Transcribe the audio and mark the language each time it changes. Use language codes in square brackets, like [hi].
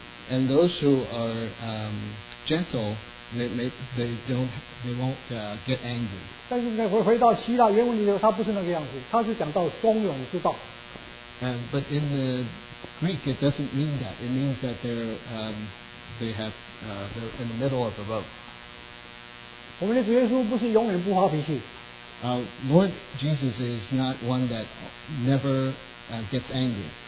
[en] And those who are gentle, they won't get angry. [zh] 但是你回到希腊原文里头，它不是那个样子，它是讲到松软之道。 [en] But in the Greek, it doesn't mean that. It means that they're in the middle of the road. [zh] 我们的主耶稣不是永远不发脾气。 [en] Lord Jesus is not one that never gets angry.